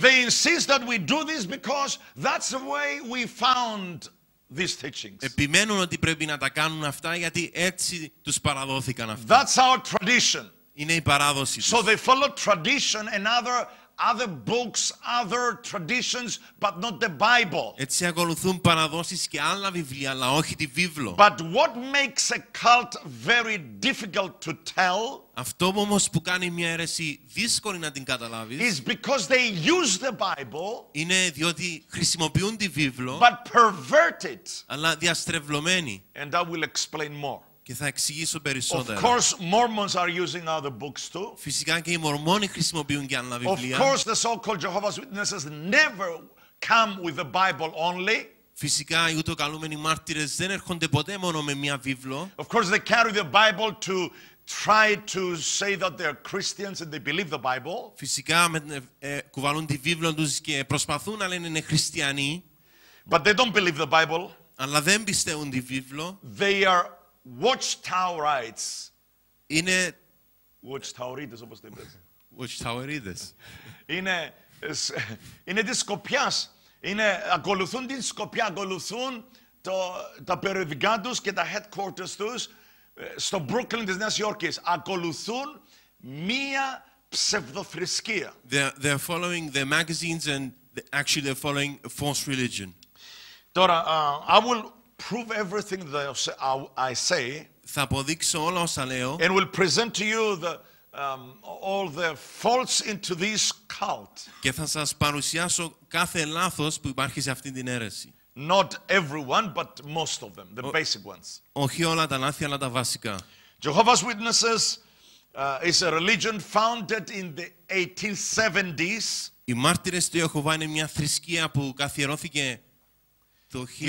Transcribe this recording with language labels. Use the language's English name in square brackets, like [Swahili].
[English] They insist that we do this because that's the way we found these teachings. [Greek] Επιμένουν ότι πρέπει να τα κάνουν αυτά γιατί έτσι τους παραδόθηκαν αυτά. [English] That's our tradition. [Greek] Είναι η παράδοση τους. [English] So they follow tradition and other books, other traditions, but not the Bible. [Greek] Έτσι ακολουθούν παραδόσεις και άλλα βιβλία, αλλά όχι τη Βίβλο. [English] But what makes a cult very difficult to tell? [Greek] Αυτό όμως που κάνει μια αίρεση δύσκολη να την καταλάβεις. [English] Is because they use the Bible. [Greek] Είναι διότι χρησιμοποιούν τη Βίβλο. [English] But pervert it. [Greek] Αλλά διαστρεβλωμένη. [English] And I will explain more. [Greek] Και θα εξηγήσω περισσότερα. [English] Of course, Mormons are using other books too. [Greek] Φυσικά και οι Μορμόνοι χρησιμοποιούν και άλλα βιβλία. [English] Of course, the so-called Jehovah's Witnesses never come with the Bible only. [Greek] Φυσικά οι ούτω καλούμενοι μάρτυρες δεν έρχονται ποτέ μόνο με μια βίβλο. [English] Of course, they carry the Bible to try to say that they're Christians and they believe the Bible. [Greek] Φυσικά κουβαλούν τη βίβλο τους και προσπαθούν να λένε είναι χριστιανοί. [English] But they don't believe the Bible. [Greek] Αλλά δεν πιστεύουν τη βίβλο. [English] They are Watchtowerites. [Greek] Είναι Watchtowerites, όπως το είπες. [English] Watchtowerites. [Greek] Είναι της Σκοπιάς. Ακολουθούν την Σκοπιά. Ακολουθούν τα περιοδικά τους και τα headquarters τους στο Brooklyn της Νέας Υόρκης. Ακολουθούν μία ψευδοθρησκεία. [English] They're following the magazines and actually they're following a false religion. [Greek] Τώρα, [English] I will prove everything that I say. [Greek] Θα αποδείξω όλα όσα λέω. [English] And will present to you all the faults into this cult. [Greek] Και θα σας παρουσιάσω κάθε λάθος που υπάρχει σε αυτήν την αίρεση. [English] Not everyone, but most of them, the basic ones. [Greek] Όχι όλα τα λάθη, αλλά τα βασικά. [English] Jehovah's Witnesses is a religion founded in the 1870s. [Greek] Οι μάρτυρες του Ιεχωβά είναι μια θρησκεία που καθιερώθηκε το